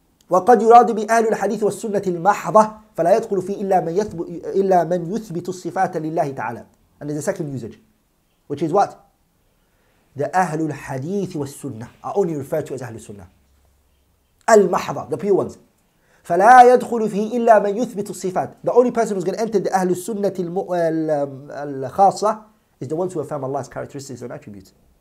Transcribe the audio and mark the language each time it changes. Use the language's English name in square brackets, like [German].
[Arabic] وَقَدْ يُرَادُ بِأَهْلُ الْحَدِيثِ وَالسُّنَّةِ الْمَحْضَةِ فَلَا يَدْخُلُ فِي إِلَّا مَنْ يُثْبِتُ الصِّفَاتَ لِلَّهِ تَعَالَى. [English] And there's a second usage, which is what? The أهل الحديث والسنة are only referred to as أهل السنة. المحضة, the pure ones. [Arabic] فلا يدخل فيه إلا من يثبت الصفات. [English] The only person who's going to enter the أهل السنة الخاصة is the ones who have found Allah's characteristics and attributes.